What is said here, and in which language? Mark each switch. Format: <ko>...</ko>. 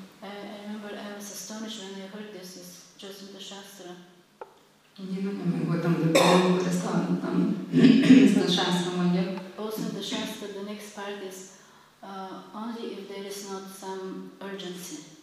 <en>I remember I was astonished when I heard this, it's just in the Shastra.</en> <hu>Én nagyon meg voltam döbbenve, amikor ezt hallottam, ezt a Shastra mondja.</hu> <en>Also in the Shastra, the next part is only if there is not some urgency.</en>